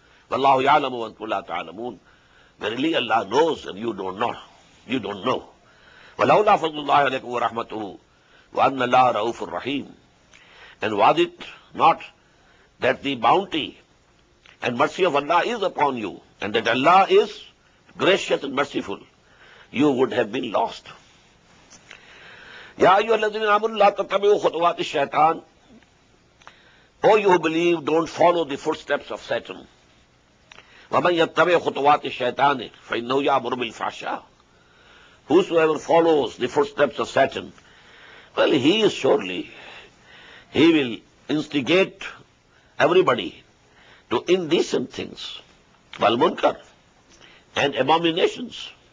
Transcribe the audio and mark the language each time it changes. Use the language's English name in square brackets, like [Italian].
[Arabic] والله يعلم وانتم لا تعلمون. [English] Verily Allah knows and you don't know. You don't know. [Arabic] ولولا فضل الله عليكم ورحمته وأن الله رؤوف الرحيم. [English] And was it not that the bounty and mercy of Allah is upon you and that Allah is gracious and merciful, you would have been lost. [Arabic] يا أيها الذين آمنوا لا تتبعوا خطوات الشيطان. [English] O you who believe, don't follow the footsteps of Satan. [Arabic] وَمَنْ يَتَّبِعْ خُطُوَاتِ الشَّيْطَانِ فَإِنَّهُ يَعْمُرُ بِالْفَحْشَاءِ. [English] Whosoever follows the footsteps of Satan, well, he is surely, he will instigate everybody to indecent things, وَالْمُنْكَرِ and abominations.